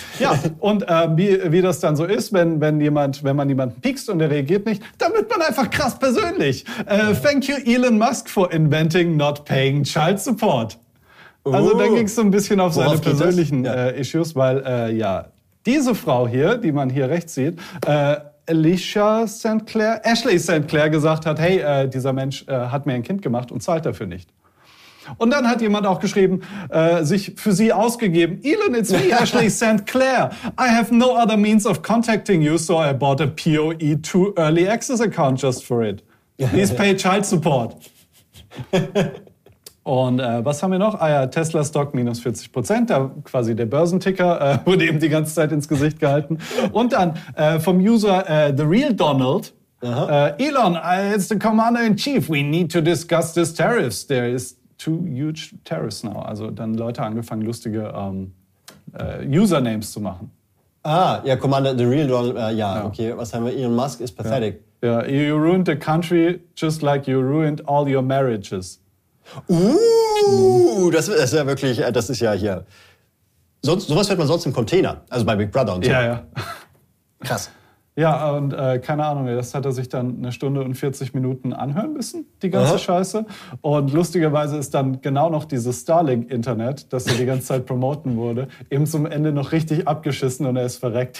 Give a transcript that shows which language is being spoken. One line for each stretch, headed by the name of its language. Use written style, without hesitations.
German: Ja, und wie das dann so ist, wenn man jemanden piekst und er reagiert nicht, dann wird man einfach krass persönlich.
English: Thank you Elon Musk for inventing not paying child support.
German: Also da ging es so ein bisschen auf seine persönlichen Issues, weil diese Frau hier, die man hier rechts sieht, Ashley St. Clair gesagt hat, hey, dieser Mensch hat mir ein Kind gemacht und zahlt dafür nicht. Und dann hat jemand auch geschrieben, sich für sie ausgegeben,
English: Elon, it's me,
German: Ashley St. Clair.
English: I have no other means of contacting you, so I bought a POE2 early access account just for it. Please pay child support.
German: Und was haben wir noch? Ah ja, Tesla Stock minus 40%, da quasi der Börsenticker wurde eben die ganze Zeit ins Gesicht gehalten. Und dann vom User
English: The Real Donald, Elon, it's the Commander-in-Chief, we need to discuss this tariffs. There is two huge tariffs now.
German: Also dann Leute angefangen, lustige Usernames zu machen. Ah, ja, Commander The Real Donald, okay. Was haben wir?
English: Elon Musk is pathetic. Ja, yeah. You ruined the country just like you ruined all your marriages.
German: Das ist ja wirklich, das ist ja hier. Sowas hört man sonst im Container, also bei Big Brother und so. Ja, ja. Krass. Ja, und keine Ahnung, das hat er sich dann eine Stunde und 40 Minuten anhören müssen, die ganze Scheiße. Und lustigerweise ist dann genau noch dieses Starlink-Internet, das er die ganze Zeit promoten wurde, eben zum Ende noch richtig abgeschissen und er ist verreckt.